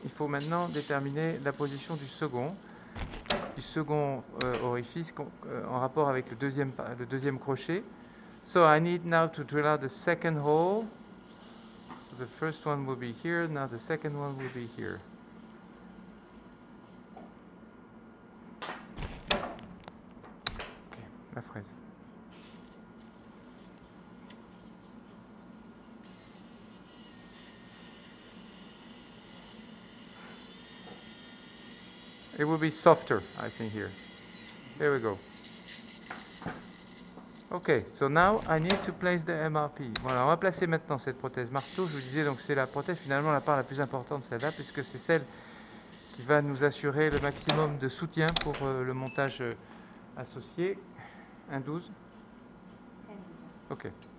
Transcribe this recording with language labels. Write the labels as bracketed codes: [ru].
[fr] Il faut maintenant déterminer la position du second orifice en rapport avec le deuxième crochet. [en] So I need now to drill out the second hole. So the first one will be here, now the second one will be here. [fr] La fraise. [en] It will be softer, I think, here. There we go. Okay, so now I need to place the MRP. [fr] Voilà, on va placer maintenant cette prothèse marteau. Je vous disais, donc c'est la prothèse, finalement, la part la plus importante, celle-là, puisque c'est celle qui va nous assurer le maximum de soutien pour le montage associé. 1,12. Ok.